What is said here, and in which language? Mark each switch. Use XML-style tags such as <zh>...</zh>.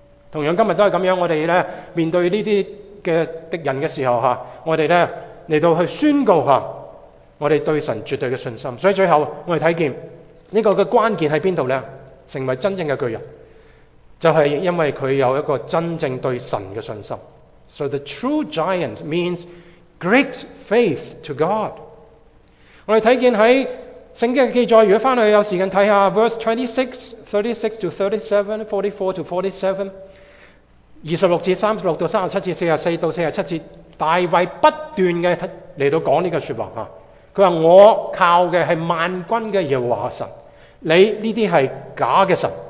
<zh>同样今天都是这样，我们呢面对这些的敌人的时候，我们呢来到去宣告我们对神绝对的信心。所以最后我们看见这个的关键在哪里呢？成为真正的巨人，就是因为他有一个真正对神的信心。</zh> <en>So the true giant means great faith to God.</en> <zh>我们看见在圣经的记载，如果回去有时间看一下 verse 26-37, 44-47,26-36-37-44-47，大卫不断地来到讲这个说话。他说我靠的是万军的耶和华神，你这些是假的神。</zh>